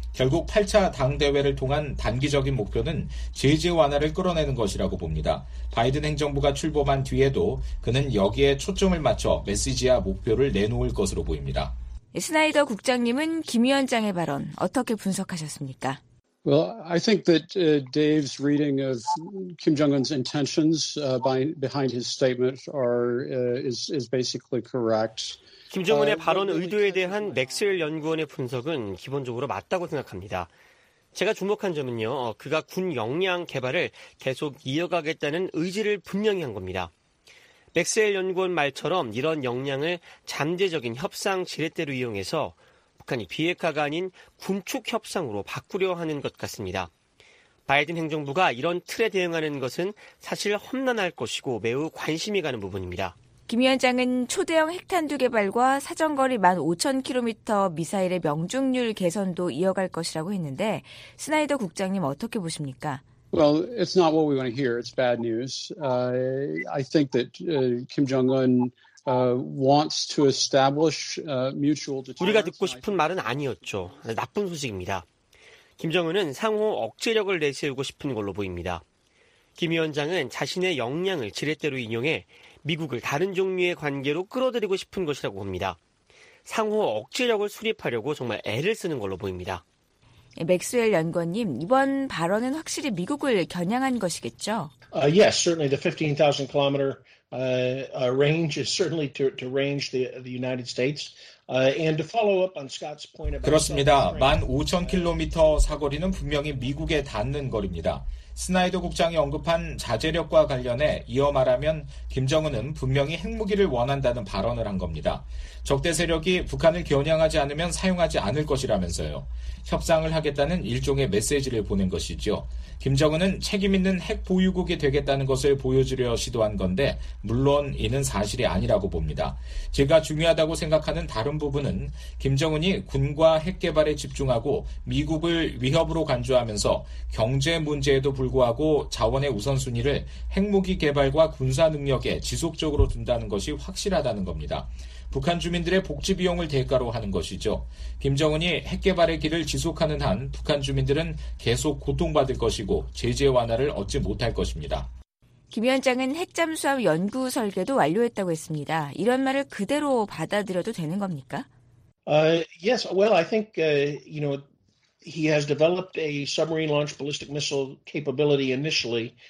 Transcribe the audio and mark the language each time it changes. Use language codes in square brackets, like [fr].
[ko] 결국 8차 당대회를 통한 단기적인 목표는 제재 완화를 끌어내는 것이라고 봅니다. 바이든 행정부가 출범한 뒤에도 그는 여기에 초점을 맞춰 메시지와 목표를 내놓을 것으로 보입니다. 스나이더 국장님은 김 위원장의 발언 어떻게 분석하셨습니까? [en] Well, I think that Dave's reading of Kim Jong-un's intentions behind his statement is basically correct. [ko] 김정은의 발언 의도에 대한 맥스웰 연구원의 분석은 기본적으로 맞다고 생각합니다. 제가 주목한 점은요, 그가 군 역량 개발을 계속 이어가겠다는 의지를 분명히 한 겁니다. 맥스웰 연구원 말처럼 이런 역량을 잠재적인 협상 지렛대로 이용해서 북한이 비핵화가 아닌 군축 협상으로 바꾸려 하는 것 같습니다. 바이든 행정부가 이런 틀에 대응하는 것은 사실 험난할 것이고 매우 관심이 가는 부분입니다. 김 위원장은 초대형 핵탄두 개발과 사정거리 15,000km 미사일의 명중률 개선도 이어갈 것이라고 했는데 스나이더 국장님 어떻게 보십니까? [en] Well, it's not what we want to hear. It's bad news. I think that Kim Jong-un wants to establish mutual deterrence. [ko] 우리가 듣고 싶은 말은 아니었죠. 나쁜 소식입니다. 김정은은 상호 억제력을 내세우고 싶은 걸로 보입니다. 김 위원장은 자신의 역량을 지렛대로 인용해 미국을 다른 종류의 관계로 끌어들이고 싶은 것이라고 봅니다. 상호 억제력을 수립하려고 정말 애를 쓰는 걸로 보입니다. 맥스웰 연구원님, 이번 발언은 확실히 미국을 겨냥한 것이겠죠? [en] Yes, certainly the 15,000 kilometer range is certainly to range the United States. And to follow up on Scott's point about [ko] 그렇습니다. 15,000km 사거리는 분명히 미국에 닿는 거리입니다. 스나이더 국장이 언급한 자제력과 관련해 이어 말하면 김정은은 분명히 핵무기를 원한다는 발언을 한 겁니다. 적대 세력이 북한을 겨냥하지 않으면 사용하지 않을 것이라면서요. 협상을 하겠다는 일종의 메시지를 보낸 것이죠. 김정은은 책임 있는 핵 보유국이 되겠다는 것을 보여주려 시도한 건데 물론 이는 사실이 아니라고 봅니다. 제가 중요하다고 생각하는 다른 부분은 김정은이 군과 핵 개발에 집중하고 미국을 위협으로 간주하면서 경제 문제에도 불구하고 자원의 우선순위를 핵무기 개발과 군사 능력에 지속적으로 둔다는 것이 확실하다는 겁니다. 북한 주민들의 복지 비용을 대가로 하는 것이죠. 김정은이 핵 개발의 길을 지속하는 한 북한 주민들은 계속 고통받을 것이고 제재 완화를 얻지 못할 것입니다. 김 위원장은 핵잠수함 연구 설계도 완료했다고 했습니다. 이런 말을 그대로 받아들여도 되는 겁니까? [en] Yes. Well, I think you know he has developed a submarine launch ballistic missile capability initially.